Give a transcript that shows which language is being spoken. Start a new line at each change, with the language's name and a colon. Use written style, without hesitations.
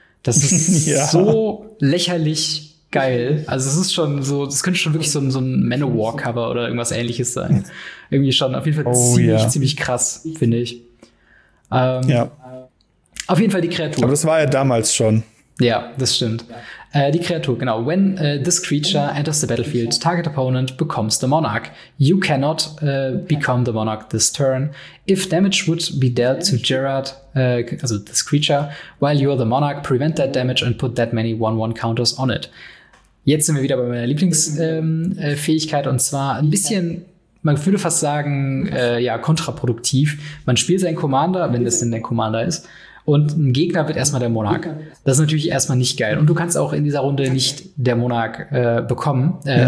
German: Das ist so lächerlich geil. Also es ist schon so, das könnte schon wirklich so ein Manowar-Cover oder irgendwas ähnliches sein. Irgendwie schon auf jeden Fall ziemlich krass, finde ich. Auf jeden Fall die Kreatur. Aber das war ja damals schon. Ja, das stimmt. Die Kreatur, genau.
English: When this creature enters the battlefield, target opponent becomes the monarch. You cannot become the monarch this turn. If damage would be dealt to Gerard, also this creature, while you are the monarch, prevent that damage and put that many 1-1 counters on it.
German: Jetzt sind wir wieder bei meiner Lieblingsfähigkeit und zwar ein bisschen, man würde fast sagen, kontraproduktiv. Man spielt seinen Commander, wenn das denn der Commander ist, und ein Gegner wird erstmal der Monarch. Das ist natürlich erstmal nicht geil. Und du kannst auch in dieser Runde nicht der Monarch bekommen.